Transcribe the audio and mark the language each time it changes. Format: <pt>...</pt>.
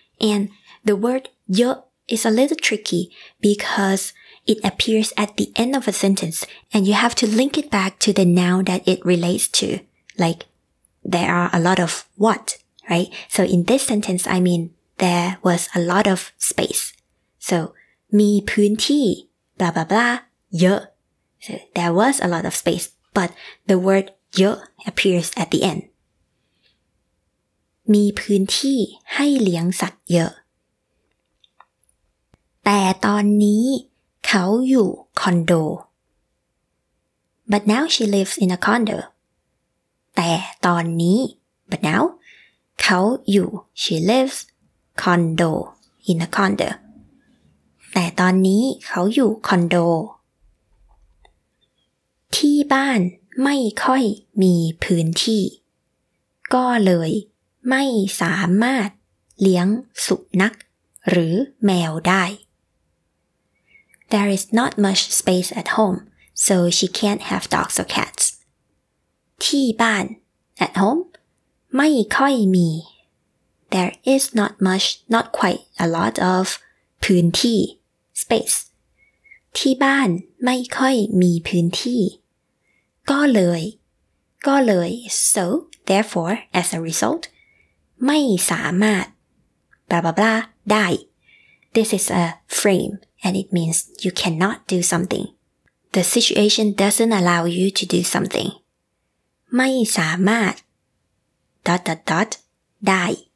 <en>and the word เยอะ is a little tricky because it appears at the end of a sentence and you have to link it back to the noun that it relates to like there are a lot of what right so in this sentence I mean there was a lot of space so มีพื้นที่ blah blah blah เยอะSo there was a lot of space, but the word เยอะ appears at the end.</en> <th>มีพื้นที่ให้เลี้ยงสัตว์เยอะ แต่ตอนนี้เขาอยู่คอนโด But now she lives in a condo.</th> <en>แต่ตอนนี้ But now เขาอยู่ She lives condo in a condo.</en> <th>แต่ตอนนี้เขาอยู่คอนโดที่บ้านไม่ค่อยมีพื้นที่ก็เลยไม่สามารถเลี้ยงสุนัขหรือแมวได้ There is not much space at home, so she can't have dogs or cats.</th> <en>ที่บ้าน at home ไม่ค่อยมี There is not much, not quite a lot of พื้นที่ space. ที่บ้านไม่ค่อยมีพื้นที่ก็เลย ก็เลย so therefore as a result ไม่สามารถ blah blah blah ได้ This is a frame and it means you cannot do something The situation doesn't allow you to do something ไม่สามารถ dot dot dot ได้</en>